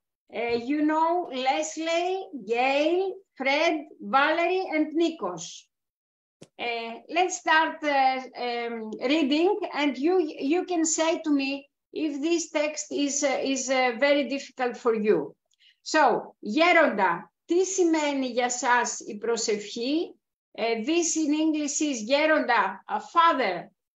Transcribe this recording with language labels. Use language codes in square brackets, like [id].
[en] You know Leslie, Gail, Fred, Valerie, and Nikos. Let's start reading, and you can say to me if this text is very difficult for you. [el] So, Γέροντα, τι σημαίνει για σας η προσευχή? [en] This in English is Γέροντα, a father.